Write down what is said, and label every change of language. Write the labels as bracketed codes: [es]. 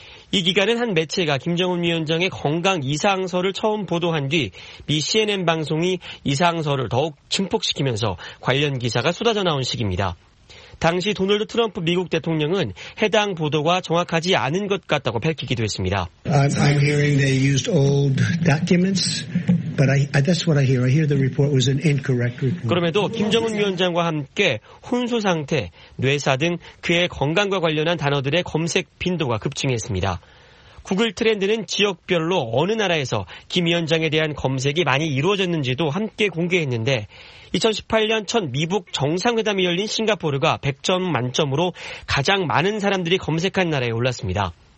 [ko] 이 기간은 한 매체가 김정은 위원장의 건강 이상설을 처음 보도한 뒤 미 CNN 방송이 이상설을 더욱 증폭시키면서 관련 기사가 쏟아져 나온 시기입니다. 당시 도널드 트럼프 미국 대통령은 해당 보도가 정확하지 않은 것 같다고 밝히기도 했습니다. [en] I'm hearing they used old documents, but that's what I hear. I hear the report was an incorrect report. [ko] 그럼에도 김정은 위원장과 함께 혼수 상태, 뇌사 등 그의 건강과 관련한 단어들의 검색 빈도가 급증했습니다. 구글 트렌드는 지역별로 어느 나라에서 김 위원장에 대한 검색이 많이 이루어졌는지도 함께 공개했는데 2018년 첫 미북 정상회담이 열린 싱가포르가 100점 만점으로 가장 많은 사람들이 검색한 나라에 올랐습니다.